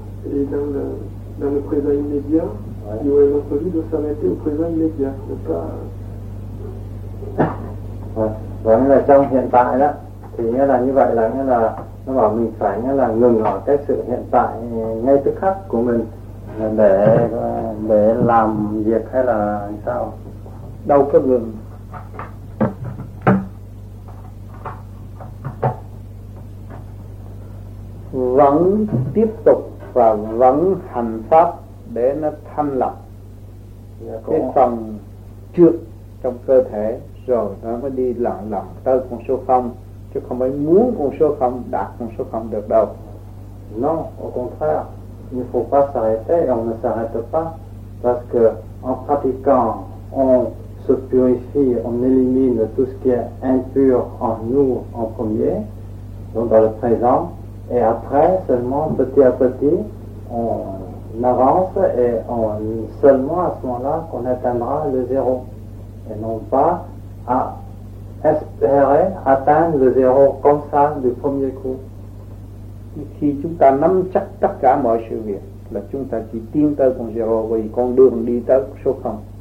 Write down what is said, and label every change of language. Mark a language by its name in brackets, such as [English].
[French] Et dans le présent immédiat, ouais. Il aurait notre vie de s'arrêter au présent immédiat, de pas. [Vietnamese] Vâng, là trong hiện tại đó, thì nghĩa là như vậy là nghĩa là nó bảo mình phải nghĩa là ngừng ở cái sự hiện tại ngay tức khắc của mình. Để làm việc hay là sao? Đâu có ngừng. Vẫn tiếp tục và vẫn hành pháp để nó thanh lọc cái phần trước trong cơ thể rồi nó mới đi lặng lặng tới con số không, chứ không phải muốn con số không đạt con số không được đâu. [French] Non, au contraire. Il ne faut pas s'arrêter et on ne s'arrête pas parce que en pratiquant, on se purifie, on élimine tout ce qui est impur en nous en premier, donc dans le présent, et après seulement petit à petit, on avance et seulement à ce moment-là qu'on atteindra le zéro et non pas à espérer atteindre le zéro comme ça du premier coup. [Vietnamese] Khi chúng ta nắm chắc tất cả mọi sự việc là chúng ta chỉ tiến tới con zéro vì con đường đi tới số không.